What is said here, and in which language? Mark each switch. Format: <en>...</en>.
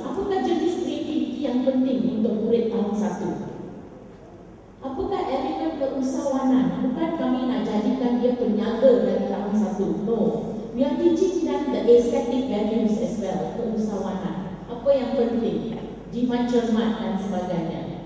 <ms>Apakah jenis creativity yang penting untuk murid tahun 1? Apakah elemen keusahawanan? Bukan kami nak jadikan dia peniaga dari tahun 1.</ms> <en>No. We are teaching them the aesthetic values as well, keusahawanan.</en> <ms>Apa yang penting? Jimat cermat dan sebagainya.</ms>